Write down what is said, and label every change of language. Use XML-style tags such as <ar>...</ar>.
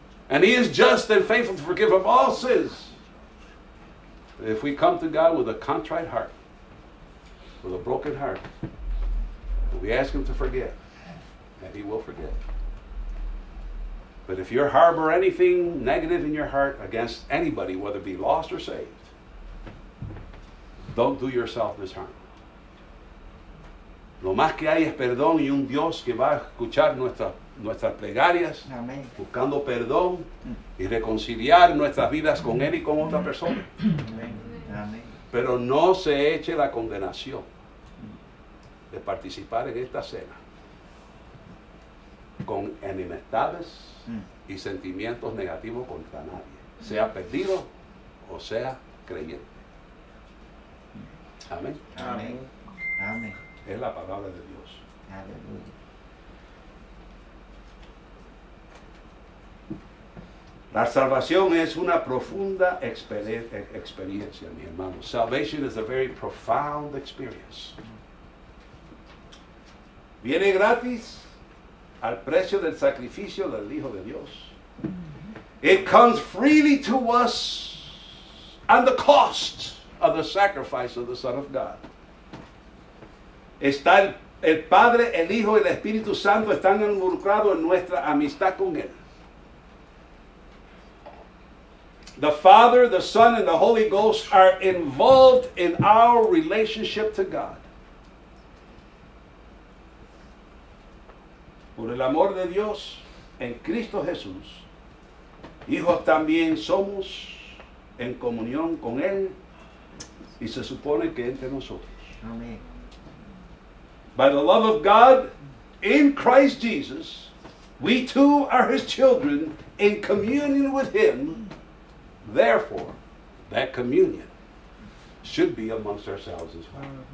<en>And He is just and faithful to forgive of all sins. But if we come to God with a contrite heart, with a broken heart, we ask Him to forgive, and He will forgive. But if you harbor anything negative in your heart against anybody, whether it be lost or saved, don't do yourself this harm.</en> <es>Lo más que hay es perdón y un Dios que va a escuchar nuestras plegarias, amén, buscando perdón y reconciliar nuestras vidas con Él y con otra persona. Amén. Pero no se eche la condenación de participar en esta cena con enemistades y sentimientos negativos contra nadie, sea perdido o sea creyente. Amén. Amén. Amén. Es la palabra de Dios. Aleluya. La salvación es una profunda experiencia, mi hermano.</es> <en>Salvation is a very profound experience.</en> <es>Viene gratis al precio del sacrificio del Hijo de Dios.</es> <en>It comes freely to us at the cost of the sacrifice of the Son of God.</en> <es>Está el Padre, el Hijo y el Espíritu Santo están involucrados en nuestra amistad con Él.</es> <en>The Father, the Son, and the Holy Ghost are involved in our relationship to God.</en> <es>Por el amor de Dios, en Cristo Jesús, hijos también somos en comunión con Él y se supone que entre nosotros. Amén.</es> <en>By the love of God, in Christ Jesus, we too are His children in communion with Him. Therefore, that communion should be amongst ourselves as well.</en>